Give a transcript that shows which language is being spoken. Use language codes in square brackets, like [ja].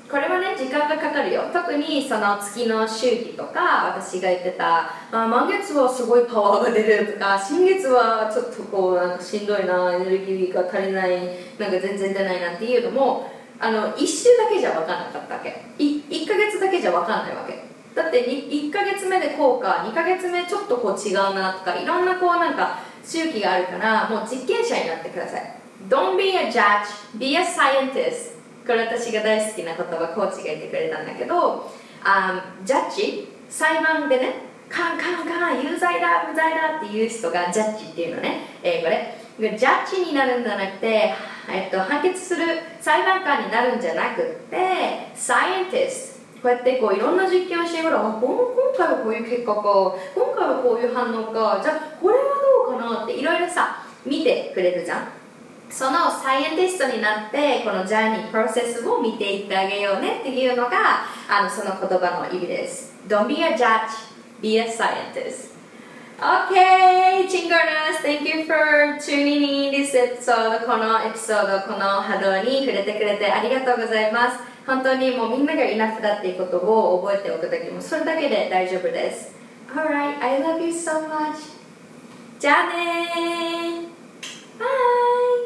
[ja] これはね、時間がかかるよ。特にその月の周期とか、私が言ってた、満月はすごいパワーが出るとか、新月はちょっとこうなんかしんどいな、エネルギーが足りない、なんか全然出ないなっていうのも、1週だけじゃ分かんなかったわけ。 1ヶ月だけじゃ分かんないわけ。だって1ヶ月目でこうか、2ヶ月目ちょっとこう違うなとか、いろんなこうなんか周期があるから、もう実験者になってください。 [en] Don't be a judge, be a scientist. [ja] これ私が大好きな言葉、コーチが言ってくれたんだけど、ジャッジ、裁判でね、カンカンカン、有罪だ無罪だっていう人がジャッジっていうのね、英語で。ジャッジになるんじゃなくて、判決する裁判官になるんじゃなくて、サイエンティスト、こうやってこういろんな実験をしてみる、今回はこういう結果か、今回はこういう反応か、じゃあこれはどうかなっていろいろさ見てくれるじゃん。そのサイエンティストになって、このジャーニープロセスを見ていってあげようねっていうのが、その言葉の意味です。 [en] Don't be a judge, be a scientist. OK, Chingoners, thank you for tuning in this episode. [ja] このエピソード、この波動に触れてくれてありがとうございます。本当にもうみんながイナフだっていうことを覚えておくだけもそれだけで大丈夫です。 [en] Alright, I love you so much. [ja] じゃあねー、バイ。